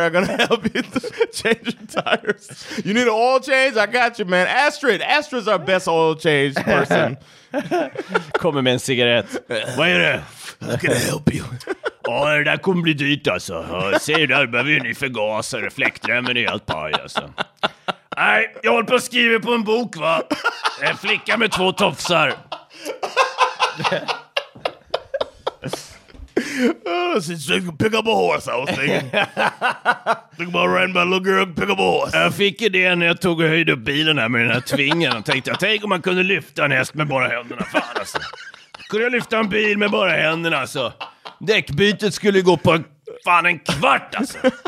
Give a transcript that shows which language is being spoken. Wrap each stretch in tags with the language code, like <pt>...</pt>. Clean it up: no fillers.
<en>I'm gonna help you change your tires. You need an oil change? I got you, man. Astrid. Astrid's our best oil change person.</en> <sv>Kommer med en cigarett. Vad är det?</sv> <en>I'm gonna help you.</en> <sv>Åh, det där kommer bli dyrt alltså. Ser du, där behöver ju ny förgasare, reflekträmmen är helt paj alltså. Nej, jag håller på att skriva på en bok, va? En flicka med två tofsar.</sv> <en>So you can pick up a horse, I was thinking. Think about riding my little girl, pick up a horse.</en> <sv>Jag fick idén när jag tog och höjde upp bilen här med den här tvingen. Och tänkte, tänk om man kunde lyfta en häst med bara händerna, fan alltså. Kunde jag lyfta en bil med bara händerna, alltså. Däckbytet skulle gå på fan en kvart, alltså.</sv>